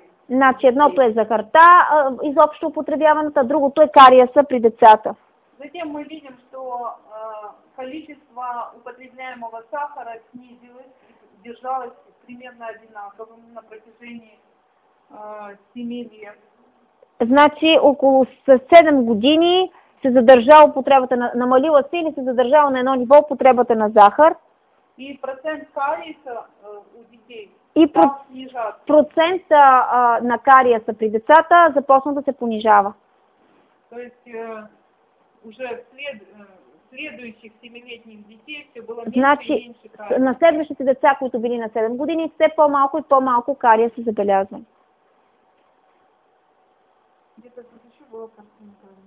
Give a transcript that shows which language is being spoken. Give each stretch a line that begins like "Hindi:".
Bulgarian: Значи едното е захарта, изобщо употребяваната, другото е кариеса при децата.
Russian: Затем мы видим, что количество употребляемого сахара снизилось, держалось примерно одинаково на протяжении 7 лет.
Bulgarian: Значи около 7 години се задържа употребата, намалила се или се задържала на едно ниво употребата на захар.
Russian: И процент кариеса у детей.
Bulgarian: И процента на кариеса при децата започна да се понижава.
Russian: То есть уже следующих 7-летних детей все было меньше,
Bulgarian: значи,
Russian: и меньше кариеса.
Bulgarian: На следващите деца, които били на 7 години, все по-малко и по-малко кария се забелязва.
Russian: Где-то тут еще была картинка.